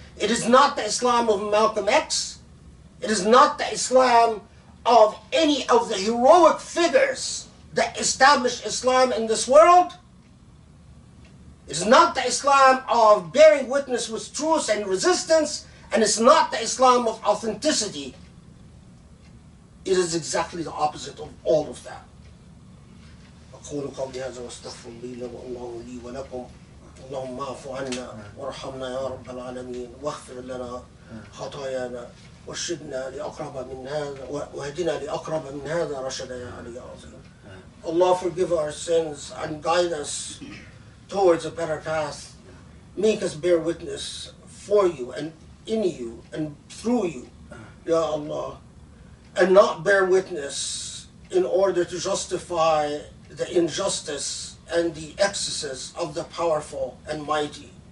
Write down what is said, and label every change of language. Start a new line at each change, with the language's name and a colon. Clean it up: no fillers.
English: It is not the Islam of Malcolm X. It is not the Islam of any of the heroic figures that established Islam in this world. It's not the Islam of bearing witness with truth and resistance, and it's not the Islam of authenticity. It is exactly the opposite of all of that.
Arabic: أقول قولي هذا واستغفر الله لي والله لي ولكم اللهم اعف عنا وارحمنا يا رب العالمين واغفر لنا خطايانا وارشدنا لأقرب من هذا واهدنا لأقرب من هذا رشدا يا علي العظيم.
English: Allah forgive our sins and guide us towards a better path. Make us bear witness for you and in you and through you, Ya Allah, and not bear witness in order to justify the injustice and the excesses of the powerful and mighty.